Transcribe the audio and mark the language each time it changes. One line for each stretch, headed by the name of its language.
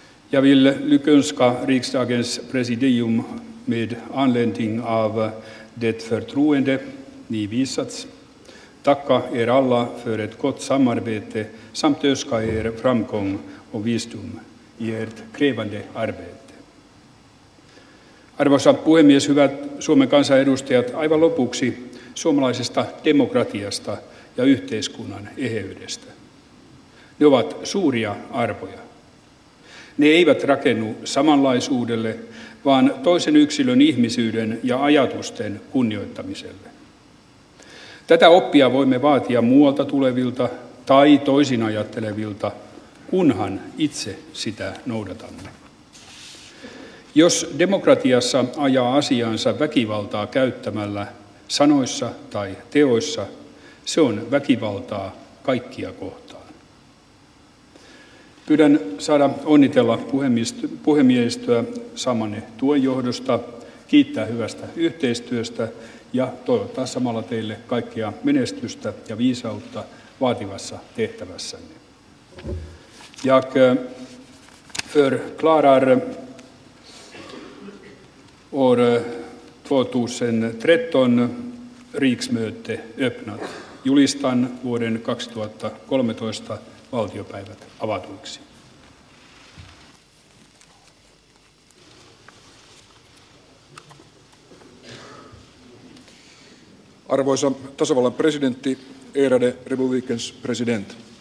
Swedish: Jag vill lyckönska riksdagens presidium med anledning av det förtroende ni visats. Tacka er alla för ett gott samarbete samt önska er framgång och visdom i ert krävande arbete.
Finnish: Arvoisa puhemies, hyvät Suomen kansanedustajat, aivan lopuksi suomalaisesta demokratiasta ja yhteiskunnan eheydestä. Ne ovat suuria arvoja. Ne eivät rakennu samanlaisuudelle, vaan toisen yksilön ihmisyyden ja ajatusten kunnioittamiselle. Tätä oppia voimme vaatia muualta tulevilta tai toisin ajattelevilta, kunhan itse sitä noudatamme. Jos demokratiassa ajaa asiansa väkivaltaa käyttämällä sanoissa tai teoissa, Se on väkivaltaa kaikkia kohtaan. Pyydän saada onnitella puhemiehistöä samanne tuen johdosta, kiittää hyvästä yhteistyöstä ja toivottaa samalla teille kaikkia menestystä ja viisautta vaativassa tehtävässänne.
Swedish: Jag förklarar år 2013 riksmöte öppnat.
Finnish: Julistan vuoden 2013 valtiopäivät avatuiksi. Arvoisa tasavallan presidentti,
Swedish: ärade republikens president.